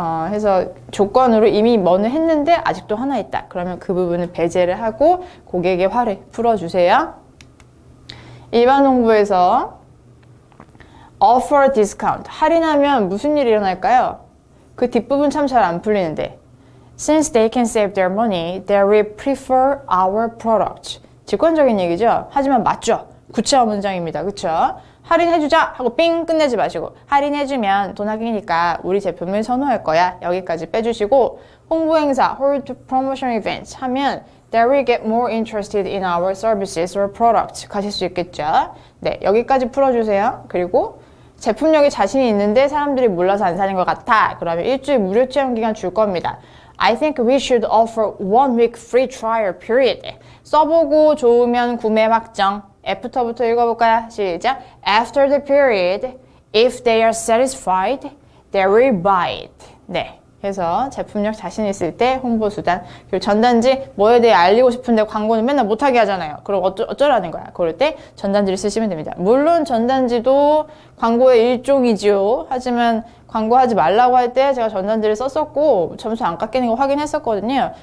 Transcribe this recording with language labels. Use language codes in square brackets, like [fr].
[ko] 해서 조건으로 이미 뭐는 했는데 아직도 하나 있다. 그러면 그 부분은 배제를 하고 고객의 화를 풀어주세요. 일반 홍보에서 [en] offer discount. [ko] 할인하면 무슨 일이 일어날까요? 그 뒷부분 참 잘 안 풀리는데. [en] Since they can save their money, they will prefer our product. [ko] 직관적인 얘기죠? 하지만 맞죠? 구체화 문장입니다. 그쵸? 할인해주자! 하고 삥! 끝내지 마시고. 할인해주면 돈 아끼니까 우리 제품을 선호할 거야. 여기까지 빼주시고. 홍보행사, [en] hold promotion events [ko] 하면 [en] they will get more interested in our services or products. [ko] 가실 수 있겠죠? 네. 여기까지 풀어주세요. 그리고 제품력에 자신이 있는데 사람들이 몰라서 안 사는 것 같아. 그러면 일주일 무료 체험 기간 줄 겁니다. [en] I think we should offer 1 week free trial period. [ko] 써보고 좋으면 구매 확정. 애프터부터 읽어볼까요? 시작. [en] After the period, if they are satisfied, they will buy it. [ko] 네. 그래서 제품력 자신 있을 때 홍보 수단. 그리고 전단지 뭐에 대해 알리고 싶은데 광고는 맨날 못하게 하잖아요. 그럼 어쩌라는 거야. 그럴 때 전단지를 쓰시면 됩니다. 물론 전단지도 광고의 일종이지요. 하지만 광고하지 말라고 할 때 제가 전단지를 썼었고 점수 안 깎이는 거 확인했었거든요.